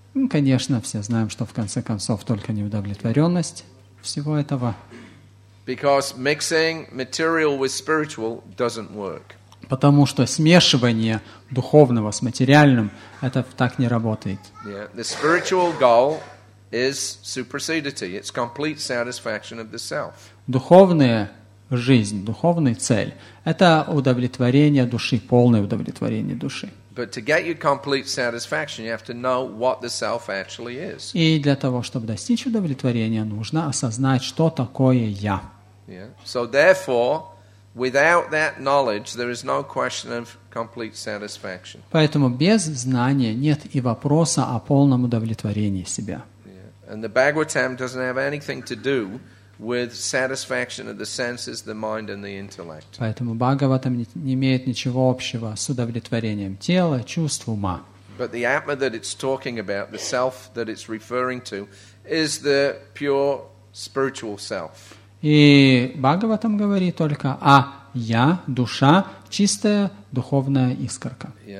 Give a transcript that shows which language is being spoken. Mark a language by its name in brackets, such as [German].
[Russian] Конечно, все знаем, что в конце концов только неудовлетворенность всего этого. [English] Because mixing material with spiritual doesn't work. [Russian] Потому что смешивание духовного с материальным это так не работает. [English] Yeah. The spiritual goal is supersedity. It's complete satisfaction of the self. [Russian] Духовная жизнь, духовная цель это удовлетворение души, полное удовлетворение души. [English] But to get you complete satisfaction, you have to know what the self actually is. [Russian] И для того, чтобы достичь удовлетворения, нужно осознать, что такое я. [English] Yeah. So therefore, without that knowledge, there is no question of complete satisfaction. [Russian] Поэтому без знания нет и вопроса о полном удовлетворении себя. [English] Yeah. And the Bhagavatam doesn't have anything to do with satisfaction of the senses, the mind, and the intellect. [Russian] Поэтому Бхагаватам не имеет ничего общего с удовлетворением тела, чувств, ума. [English] But the Atma that it's talking about, the self that it's referring to, is the pure spiritual self. [Russian] И Бхагаватам говорит только о «я», душа, чистая духовная искорка.